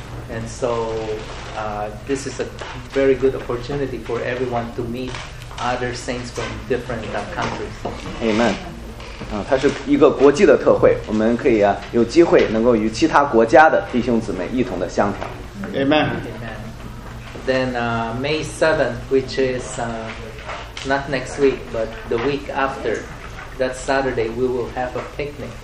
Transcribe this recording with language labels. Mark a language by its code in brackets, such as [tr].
[en] And so this is a very good opportunity for everyone to meet other saints from different countries. Amen. [zh] 它是一个国际的特会，我们可以有机会能够与其他国家的弟兄姊妹一同的相调。 [en] Amen. Then May 7th, which is not next week, but the week after, that Saturday, we will have a picnic.